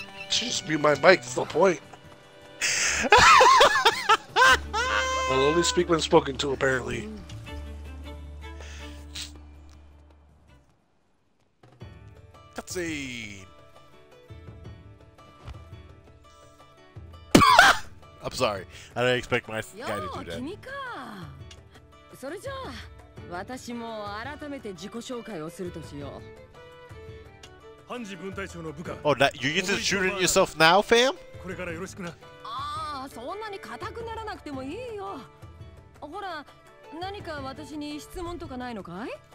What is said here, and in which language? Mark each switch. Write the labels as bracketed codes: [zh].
[en] Just mute my mic, that's the point. I'll only speak when spoken to, apparently. I'm sorry. I didn't expect my guy to do that. Kimika. [ja] それじゃあ、私も改めて自己紹介をするとしよう。判事分隊長の部下。 [en] Oh, that you're just shooting yourself now, fam? [ja] これからよろしくな。ああ、そんなに固くならなくてもいいよ。ほら、何か私に質問とかないのかい？